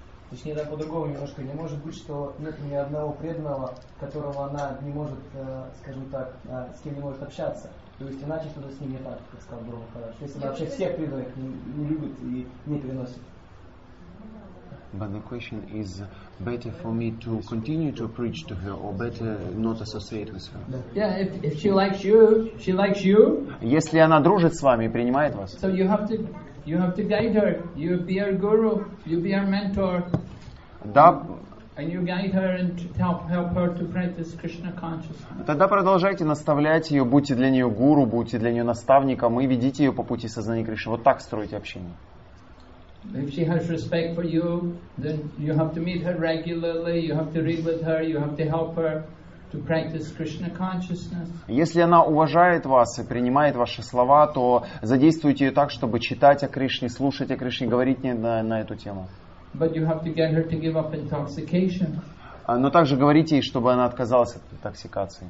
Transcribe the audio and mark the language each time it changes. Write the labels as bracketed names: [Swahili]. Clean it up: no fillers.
[Russian] Точнее, так по-другому немножко. Не может быть, что нет ни одного преданного, которого она не может, скажем так, с кем не может общаться. То есть иначе что-то с ним не так, как сказал Брома Хараш. Если вообще всех преданных не любит и не переносит. [English] But the question is better for me to continue to preach to her or better not associate with her. Yeah, if she likes you, she likes you. [Russian] Если она дружит с вами и принимает вас. [English] So you have to guide her. You be her guru, you be her mentor. And you guide her and help her to practice Krishna consciousness. [Russian] Тогда продолжайте наставлять ее, будьте для нее гуру, будьте для нее наставником и ведите ее по пути сознания Кришны. Вот так строите общение. [English] If she has respect for you, then you have to meet her regularly, you have to read with her, you have to help her to practice Krishna consciousness. [Russian] Если она уважает вас и принимает ваши слова, то задействуйте ее так, чтобы читать о Кришне, слушать о Кришне, говорить на эту тему. [English] But you have to get her to give up intoxication. [Russian] Но также говорите ей, чтобы она отказалась от интоксикации,